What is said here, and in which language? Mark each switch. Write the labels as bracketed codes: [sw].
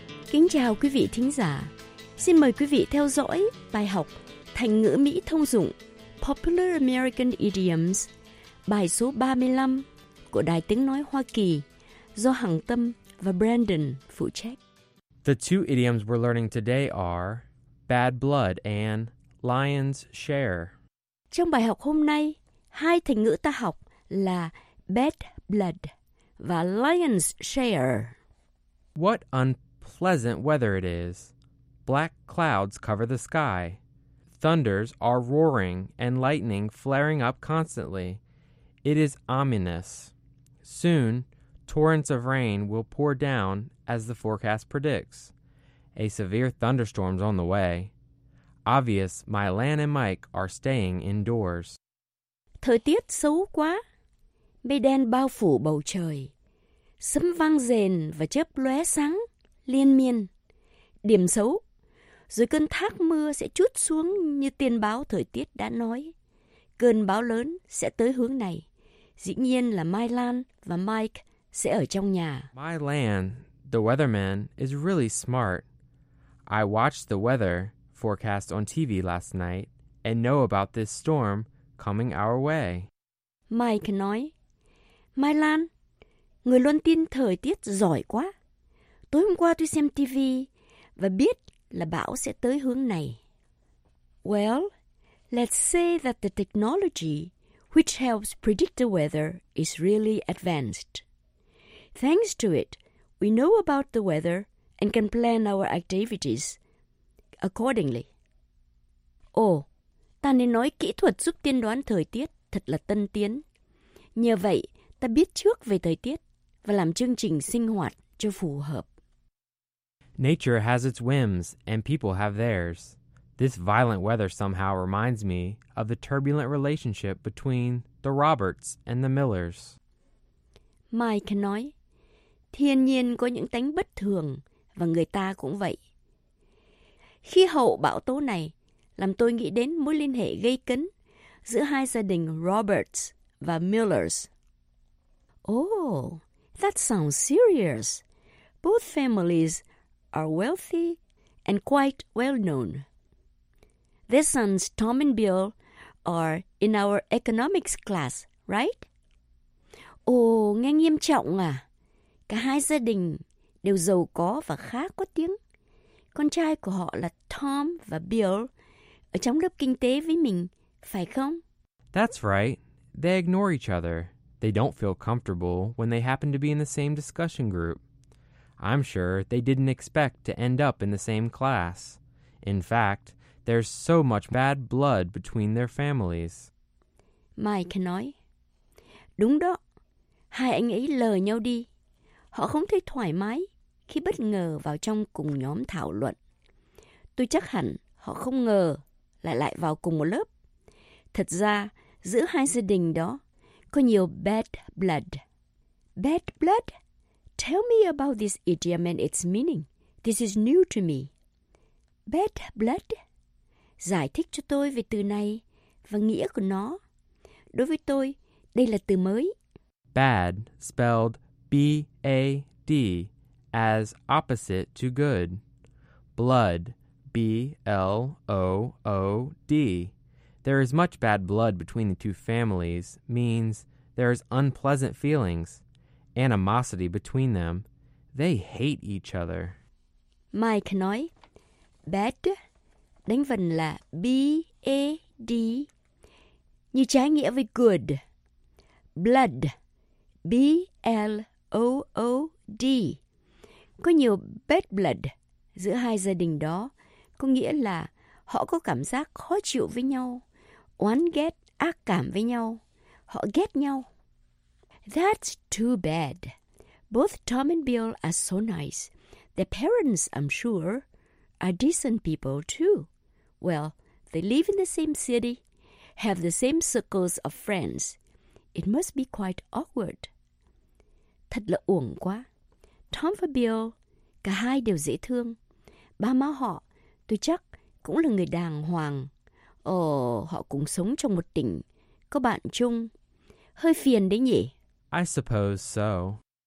[vi] Kính chào quý vị thính giả. Xin mời quý vị theo dõi bài học thành ngữ Mỹ thông dụng [en] Popular American Idioms, [vi] bài số 35 của Đài Tiếng Nói Hoa Kỳ do Hằng Tâm và Brandon phụ trách. [en] The two idioms we're learning today are bad blood and lion's share. [vi] Trong bài học hôm nay, hai thành ngữ ta học là bad blood và lion's share. [en] What unpleasant weather it is. Black clouds cover the sky. Thunders are roaring and lightning flaring up constantly. It is ominous. Soon, torrents of rain will pour down as the forecast predicts. A severe thunderstorm's on the way. Obvious, my Lan and Mike are staying indoors. [vi] Thời tiết xấu quá. Mây đen bao phủ bầu trời. Sấm vang rền và chớp lóe sáng liên miên. Điểm xấu. Rồi cơn thác mưa sẽ trút xuống như tiên báo thời tiết đã nói. Cơn bão lớn sẽ tới hướng này. Dĩ nhiên là Mai Lan và Mike sẽ ở trong nhà. [en] My Lan, the weatherman, is really smart. I watched the weather forecast on TV last night and know about this storm coming our way. [vi] Mike nói, Mai Lan, người luôn tin thời tiết giỏi quá. Tối hôm qua tôi xem TV và biết là bão sẽ tới hướng này. [en] Well, let's say that the technology which helps predict the weather is really advanced. Thanks to it, we know about the weather and can plan our activities accordingly. [vi] Ồ, ta nên nói kỹ thuật giúp tiên đoán thời tiết thật là tân tiến. Nhờ vậy, ta biết trước về thời tiết và làm chương trình sinh hoạt cho phù hợp. [en] Nature has its whims and people have theirs. This violent weather somehow reminds me of the turbulent relationship between the Roberts and the Millers. [vi] Mike nói, thiên nhiên có những tánh bất thường và người ta cũng vậy. Khí hậu bão tố này làm tôi nghĩ đến mối liên hệ gây cấn giữa hai gia đình Roberts và Millers. [en] Oh, that sounds serious. Both families are wealthy and quite well known. Their sons Tom and Bill are in our economics class, right? [vi] Oh, nghe nghiêm trọng à. Cả hai gia đình đều giàu có và khá có tiếng. Con trai của họ là Tom và Bill ở trong lớp kinh tế với mình, phải không? [en] That's right. They ignore each other. They don't feel comfortable when they happen to be in the same discussion group. I'm sure they didn't expect to end up in the same class. In fact, there's so much bad blood between their families. [vi] Mike nói, đúng đó, hai anh ấy lờ nhau đi. Họ không thấy thoải mái khi bất ngờ vào trong cùng nhóm thảo luận. Tôi chắc hẳn họ không ngờ lại vào cùng một lớp. Thật ra, giữa hai gia đình đó, có nhiều bad blood. [en] Bad blood? Tell me about this idiom and its meaning. This is new to me. Bad blood? [vi] Giải thích cho tôi về từ này và nghĩa của nó. Đối với tôi, đây là từ mới. [en] Bad, spelled B-A-D, as opposite to good. Blood, B-L-O-O-D. There is much bad blood between the two families means there is unpleasant feelings, animosity between them. They hate each other. [vi] Mike nói, bad, đánh vần là B-A-D, như trái nghĩa với good. Blood, B-L-O-O-D. Có nhiều bad blood giữa hai gia đình đó, có nghĩa là họ có cảm giác khó chịu với nhau, oán ghét, ác cảm với nhau, họ ghét nhau. [en] That's too bad. Both Tom and Bill are so nice. Their parents, I'm sure, are decent people too. Well, they live in the same city, have the same circles of friends. It must be quite awkward. [vi] Thật là uổng quá. Tom và Bill, cả hai đều dễ thương. Ba má họ, tôi chắc, cũng là người đàng hoàng. Ồ, họ cũng sống trong một tỉnh, có bạn chung. Hơi phiền đấy nhỉ? [en] I suppose so.